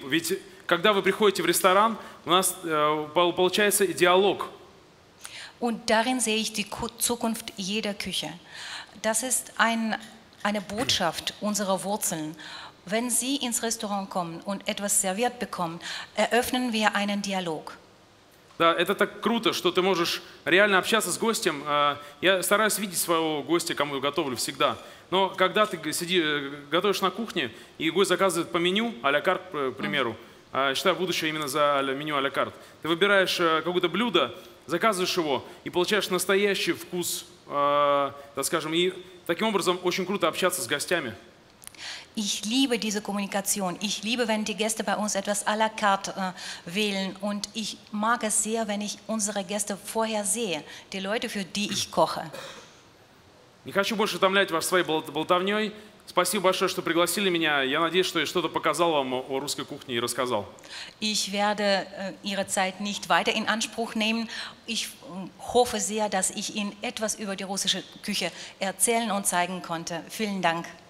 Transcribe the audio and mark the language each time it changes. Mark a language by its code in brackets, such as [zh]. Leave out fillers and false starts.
[ru] Ведь когда вы приходите в ресторан, у нас получается диалог. [de] Und darin sehe ich die Zukunft jeder Küche. Das ist eine Botschaft unserer Wurzeln. Wenn Sie ins Restaurant kommen und etwas serviert bekommen, eröffnen wir einen Dialog. [ru] Да, это так круто, что ты можешь реально общаться с гостем. Я стараюсь видеть своего гостя, кому я готовлю всегда. Но когда ты сидишь, готовишь на кухне, и гость заказывает по меню, а-ля карт, к примеру, считаю будущее именно за меню а-ля карт. Ты выбираешь какое-то блюдо, заказываешь его, и получаешь настоящий вкус, так скажем, и таким образом очень круто общаться с гостями. [de] Ich liebe diese Kommunikation. Ich liebe, wenn die Gäste bei uns etwas à la carte wählen. Und ich mag es sehr, wenn ich unsere Gäste vorher sehe, die Leute, für die ich koche. [ru] Не хочу больше утомлять вас своей болтовнёй. Спасибо большое, что пригласили меня. Я надеюсь, что я что-то показал вам о русской кухне и рассказал. [de] Ich werde Ihre Zeit nicht weiter in Anspruch nehmen. Ich hoffe sehr, dass ich Ihnen etwas über die russische Küche erzählen und zeigen konnte. Vielen Dank.